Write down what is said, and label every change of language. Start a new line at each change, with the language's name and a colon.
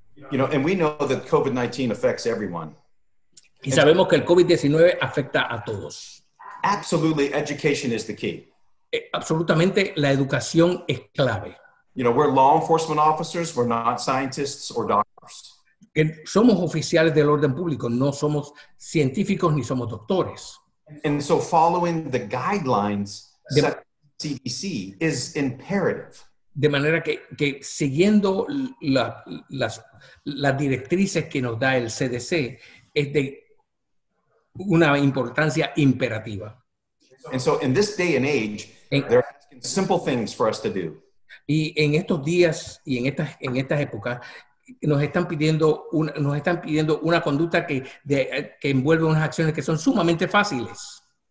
English: You know, and we know that COVID-19 affects everyone.
Spanish: Y sabemos que el COVID-19 afecta a todos.
English: Absolutely, education is the key.
Spanish: Absolutamente, la educación es clave.
English: You know, we're law enforcement officers, we're not scientists or doctors.
Spanish: Somos oficiales del orden público, no somos científicos ni somos doctores.
English: And so following the guidelines set by the CDC is imperative.
Spanish: De manera que siguiendo las directrices que nos da el CDC es de una importancia imperativa.
English: And so in this day and age, they're asking simple things for us to do.
Spanish: Y en estos días y en estas épocas nos están pidiendo una conducta que envuelve unas acciones que son sumamente fáciles.